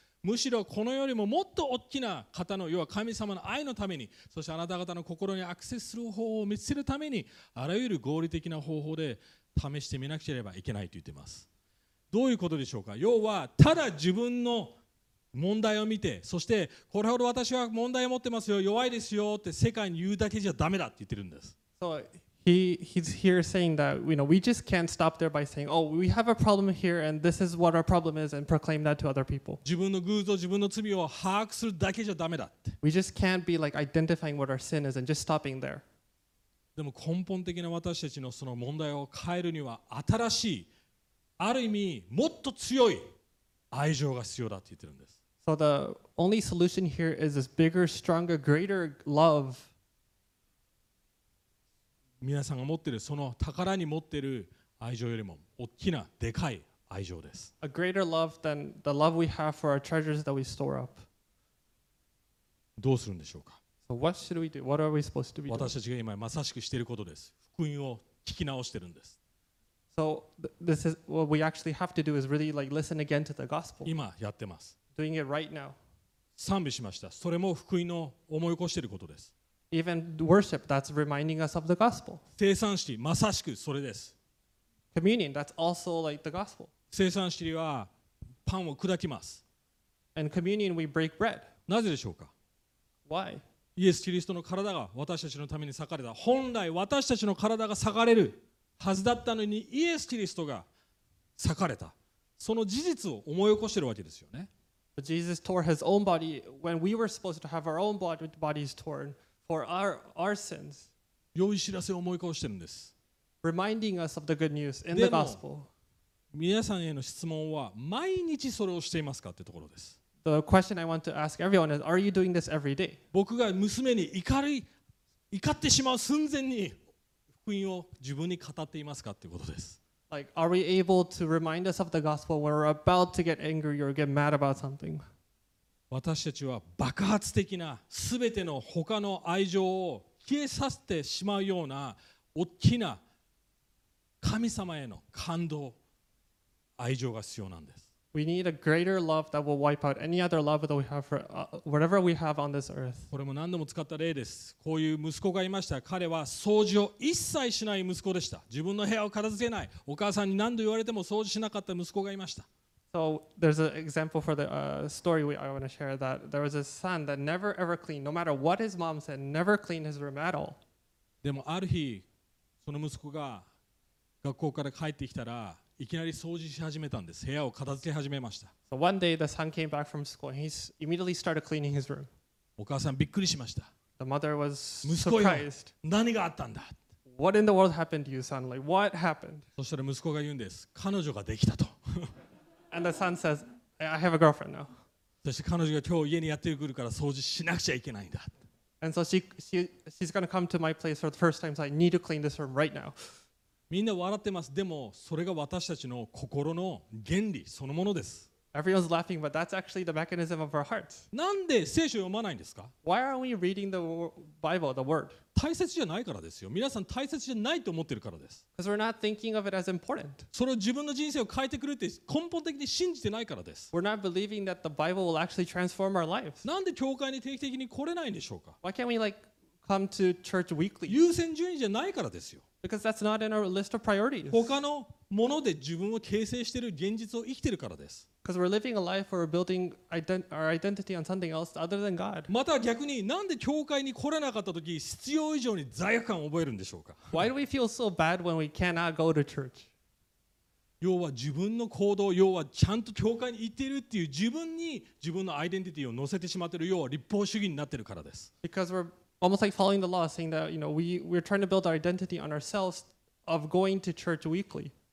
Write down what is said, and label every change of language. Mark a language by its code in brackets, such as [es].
[ja] むしろこのよりももっと大きな方の、要は神様の愛のために、そしてあなた方の心にアクセスする方法を見つけるために、あらゆる合理的な方法で試してみなければいけないと言っています。どういうことでしょうか。要はただ自分の問題を見て、そしてこれほど私は問題を持ってますよ、弱いですよって世界に言うだけじゃダメだって言ってるんです。 [en] So he's here saying that, you know, we just can't stop there by saying, oh, we have a problem here and this is what our problem is and proclaim that to other people. [ja] 自分の偶像、自分の罪を把握するだけじゃダメだって。 [en] We just can't be like identifying what our sin is and just stopping there. [ja] でも根本的な私たちのその問題を変えるには、新しい、ある意味もっと強い愛情が必要だって言ってるんです。 [en] So the only solution here is this bigger, stronger, greater love. [ja] 皆さんが持っているその宝に持っている愛情よりも大きな、でかい愛情です。 [en] A greater love than the love we have for our treasures that we store up. [ja] どうするんでしょうか。 [en] So what should we do? What are we supposed to be doing? [ja] 私たちが今まさしくしていることです。福音を聞き直しているんです。 [en] So this is what we actually have to do is really like listen again to the gospel. [ja] 今やってます。 [en] Doing it right now. [ja] 賛美しました。それも福音の思い起こしていることです。 [en] Even worship, that's reminding us of the gospel. [ja] 聖餐式、まさしくそれです。 [en] Communion, that's also like the gospel. [ja] 聖餐式はパンを砕きます。 [en] And communion, we break bread. [ja] なぜでしょうか。 [en] Why? [ja] イエス・キリストの体が私たちのために裂かれた。本来私たちの体が裂かれるはずだったのに、イエス・キリストが裂かれた。その事実を思い起こしているわけですよね。 [en] But Jesus tore his own body when we were supposed to have our own bodies torn for our sins. [ja] 良い知らせを思い起こしてるんです。 [en] Reminding us of the good news in the gospel. [ja] 皆さんへの質問は、毎日それをしていますかってところです。 [en] The question I want to ask everyone is, are you doing this every day? [ja] 僕が娘に怒ってしまう寸前に福音を自分に語っていますかってことです。 [en] Like, are we able to remind us of the gospel when we're about to get angry or get mad about something? [ja] 私たちは爆発的な全ての他の愛情を消えさせてしまうような大きな神様への感動、愛情が必要なんです。 [en] We need a greater love that will wipe out any other love that we have for whatever we have on this earth. [ja] これも何度も使った例です。こういう息子がいました。彼は掃除を一切しない息子でした。自分の部屋を片付けない。お母さんに何度言われても掃除しなかった息子がいました。 [en] So there's an example for the story I want to share that there was a son that never ever cleaned, no matter what his mom said, never cleaned his room at all. [ja] でもある日、その息子が学校から帰ってきたら、いきなり掃除し始めたんです。部屋を片付け始めました。 [en] So one day the son came back from school and he immediately started cleaning his room. [ja] お母さんびっくりしました。 [en] The mother was surprised. [ja] 何があったんだ。 [en] What in the world happened to you, son? Like, what happened? [ja] そしたら息子が言うんです。彼女ができたと。 [en] And the son says, I have a girlfriend now. [ja] そして彼女が今日家にやってくるから掃除しなくちゃいけないんだ。 [en] And so she's going to come to my place for the first time, so I need to clean this room right now. [ja] みんな笑ってます。でもそれが私たちの心の原理そのものです。 [en] Everyone's laughing, but that's actually the mechanism of our hearts. [ja] なんで聖書を読まないんですか? [en] Why are we reading the Bible, the word? [ja] 大切じゃないからですよ。皆さん大切じゃないと思ってるからです。 [en] Because we're not thinking of it as important. [ja] それを自分の人生を変えてくれって根本的に信じてないからです。 [en] We're not believing that the Bible will actually transform our lives. [ja] なんで教会に定期的に来れないんでしょうか? [en] Why can't we like come to church weekly? [ja] 優先順位じゃないからですよ。 [en] Because that's not in our list of priorities. [ja] 他のもので自分を形成している現実を生きてるからです。 [en] Because we're living a life where we're building our identity on something else other than God. [ja] また逆に、なんで教会に来れなかった時、必要以上に罪悪感を覚えるんでしょうか? [en] Why do we feel so bad when we cannot go to church? [ja] 要は自分の行動、要はちゃんと教会に行っているっていう自分に自分のアイデンティティを乗せてしまっている、要は立法主義になっているからです。 [en] Because we're almost like following the law, saying that, you know, we're trying to build our identity on ourselves of going to church weekly.